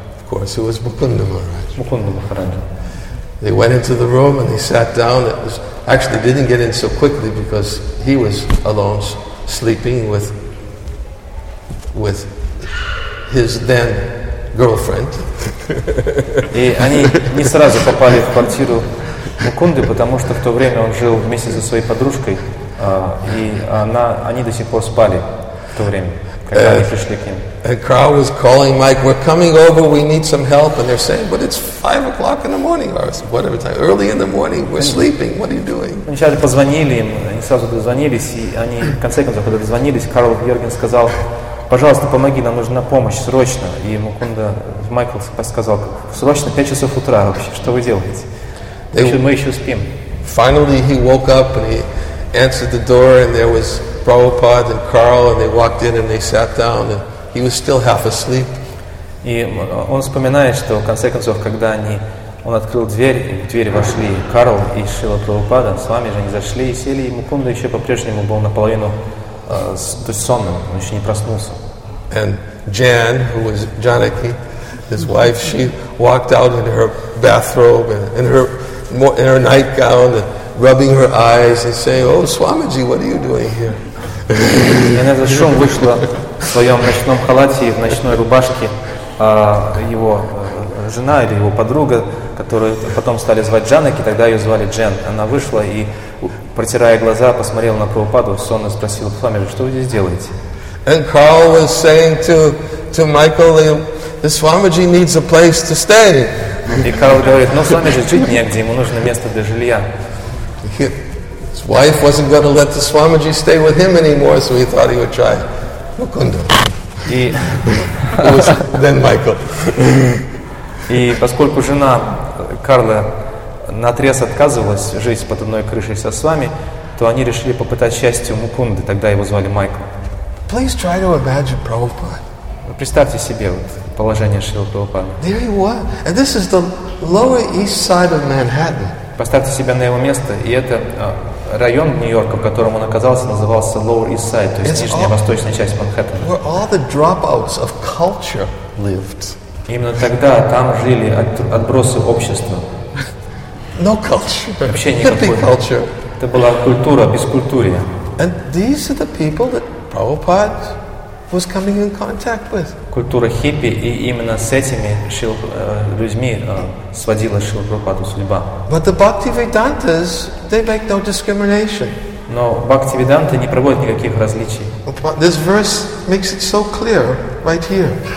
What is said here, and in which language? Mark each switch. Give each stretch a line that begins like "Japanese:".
English: Of course, it was Mukunda Maharaj. Mukunda Maharaj. They went into the room and they sat down. It was actually didn't get in so quickly because he was alone sleeping with his then girlfriend.
Russian: И они не сразу попали в квартиру Мукунды, потому что в то время он жил вместе со своей подружкой, и они до сих пор спали в то время.
English: And Carl was calling Mike, we're coming over, we need some help. And they're saying, but it's 5 o'clock in the morning, or whatever time, early in the morning, we're sleeping, what are you doing?
Russian: Они сейчас позвонили им, они сразу дозвонились, и они, в конце концов, когда дозвонились, Карл Йорген сказал, пожалуйста, помоги, нам нужна помощь, срочно. И Мукунда, Майкл сказал, срочно, 5 часов утра вообще, что вы делаете? Мы еще спим.
English: Finally, he woke up, and he answered the door, and there was Prabhupada and Carl, and they walked in and they sat down, and he was still half asleep.
Russian: И он вспоминает, что в конце концов, когда он открыл дверь, и в дверь вошли Карл и Шрила Прабхупада, с вами же они зашли и сели, и Мукунда еще по-прежнему был наполовину сонным, он еще не проснулся.
English: And Jan, who was Janaki, his wife, she walked out in her bathrobe and in her nightgown and rubbing her eyes and saying, "Oh, Swamiji, what are you doing here?"
Russian: И она за шум вышла в своем ночном халате и в ночной рубашке. Его жена или его подруга, которую потом стали звать Джанаки, тогда ее звали Джен. Она вышла и, протирая глаза, посмотрела на Прабхупаду, сонно спросила, Свамиджи, что вы здесь делаете?
English: And Carl was saying to Michael, the Swamiji needs a place to stay.
Russian: И Карл говорит, ну, Свамиджи жить негде, ему нужно место для жилья.
English: His wife wasn't going to let the Swamiji stay with him anymore, so he thought he would try Mukunda.
Russian: И
English: then Michael.
Russian: И поскольку жена Карла наотрез отказывалась жить под одной крышей со Свами, то они решили попытать счастье у Мукунды. Тогда его звали Майкл.
English: Please try to imagine Prabhupada.
Russian: Представьте себе вот положение Шрилы Прабхупады.
English: There he was, and this is the Lower East Side of Manhattan.
Russian: Поставьте себя на его место, и это район Нью-Йорка, в котором он оказался, назывался Lower East Side, то есть нижняя восточная часть Манхэттена.
English: Where all the dropouts of culture lived.
Russian: Именно тогда там жили отбросы общества.
English: No culture.
Russian: Вообще никакой
English: culture.
Russian: Это была культура без культуры.
English: And these are the people that Prabhupada was coming in contact with.
Russian: Культура хиппи, и именно с этими людьми сводила Шрилу Прабхупаду судьба.
English: But the Bhaktivedantas, they make no discrimination.
Russian: Но Бхактивиданты не проводят никаких различий.
English: This verse makes it so clear right here.